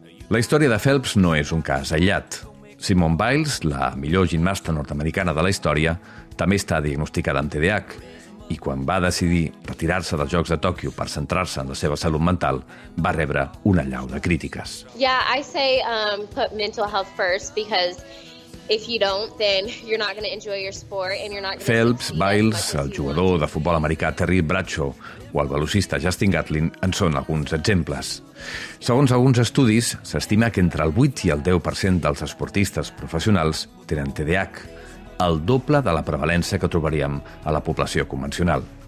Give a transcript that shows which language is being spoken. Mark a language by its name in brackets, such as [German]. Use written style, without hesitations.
[Catalan] La història de Phelps no és un cas aïllat. Simone Biles, la millor gimnasta nord-americana de la història, també està diagnosticada amb TDAH, i quan va decidir retirar-se dels Jocs de Tòquio per centrar-se en la seva salut mental, va rebre una allau de crítiques. [English] Yeah, I say put mental health first, because if you don't, then you're not going to enjoy your sport and you're not going to... [Catalan] Phelps, Biles, el jugador de futbol americà Terry Bradshaw o el velocista Justin Gatlin en són alguns exemples. Segons alguns estudis, s'estima que entre el 8 i el 10% dels esportistes professionals tenen TDAH, el doble de la prevalència que trobaríem a la població convencional.